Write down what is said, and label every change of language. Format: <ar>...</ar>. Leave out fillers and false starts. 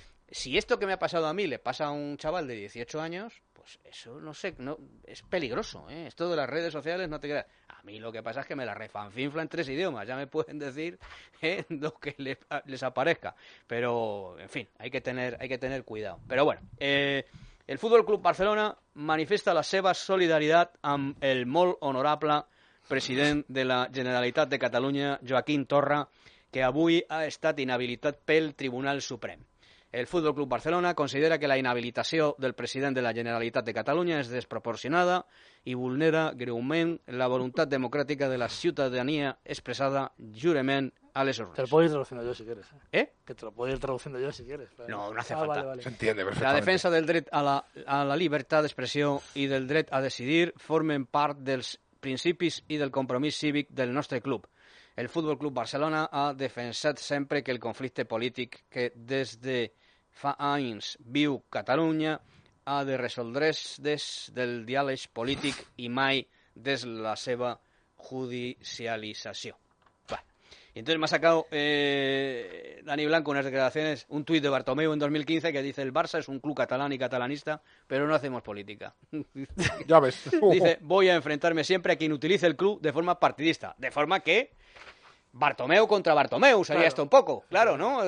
<es>Si esto que me ha pasado a mí le pasa a un chaval de 18 años, pues eso, no sé, no es peligroso, ¿eh? Esto de las redes sociales, no te creas. A mí lo que pasa es que me la refanfinfla en tres idiomas, ya me pueden decir lo que les aparezca. Pero, en fin, hay que tener cuidado. Pero bueno,</es> <ca>el Fútbol Club Barcelona manifiesta la seva solidaridad amb el molt honorable president de la Generalitat de Catalunya, Joaquim Torra, que avui ha estat inhabilitat pel Tribunal Suprem. El Fútbol Club Barcelona considera que la inhabilitació del president de la Generalitat de Catalunya és desproporcionada i vulnera greument la voluntat democràtica de la ciutadania expressada jurament a les urnes.</ca> <es>Te lo puedo ir traduciendo yo si quieres. ¿Eh? Que te lo puedo ir traduciendo yo si quieres. No, no hace falta. Vale, vale. Se entiende perfectamente.</es> <ca>La defensa del dret a la libertat d'expressió i del dret a decidir formen part dels principis i del compromís cívic del nostre club. El Fútbol Club Barcelona ha defensat sempre que el conflicte polític que des de fa anys viu Catalunya ha de resoldre's des del diàleg polític i mai des la seva judicialització.</ca> <es>Y entonces me ha sacado Dani Blanco unas declaraciones, un tuit de Bartomeu en 2015 que dice: el Barça es un club catalán y catalanista, pero no hacemos política. Ya ves. Dice: voy a enfrentarme siempre a quien utilice el club de forma partidista. De forma que Bartomeu contra Bartomeu sería claro. Esto un poco, claro, ¿no?</es>